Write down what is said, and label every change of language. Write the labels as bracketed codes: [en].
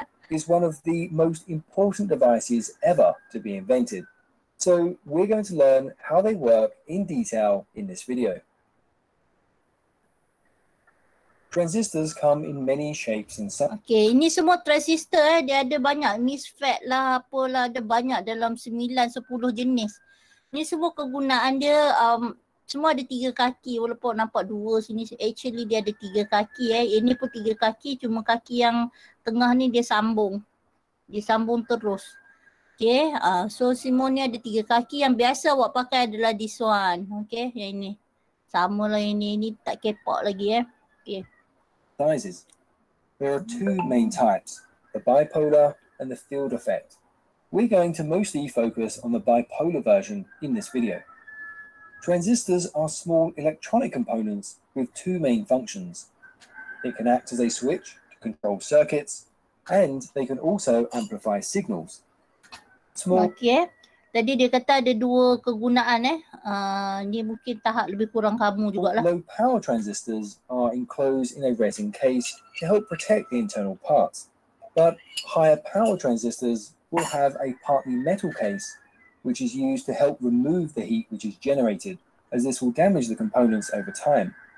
[en] It's one of the most important devices ever to be invented. So we're going to learn how they work in detail in this video. Transistors come in many shapes and sizes. [ms] Okay, ini semua transistor eh. Dia ada banyak misfit lah, apalah. Ada banyak dalam 9-10 jenis. Ini semua kegunaan dia, semua ada tiga kaki. Walaupun nampak dua sini, actually dia ada tiga kaki eh. Ini pun tiga kaki, cuma kaki yang tengah ni dia sambung. Dia sambung terus. Okay, so semua ni ada tiga kaki. Yang biasa awak pakai adalah [en] this one. [ms] Okay, yang ini. Sama lah ini. Ini tak kepok lagi eh. [en] Okay. Sizes. There are two main types, the bipolar and the field effect. We're going to mostly focus on the bipolar version in this video. Transistors are small electronic components with two main functions. It can act as a switch to control circuits, and they can also amplify signals. [ms] Small. Okay. Tadi dia kata ada dua kegunaan eh. Ni mungkin tahap lebih kurang kamu jugalah. [en] Low power transistors are enclosed in a resin case to help protect the internal parts. But higher power transistors will have a partly metal case which is used to help remove the heat which is generated, as this will damage the components over time.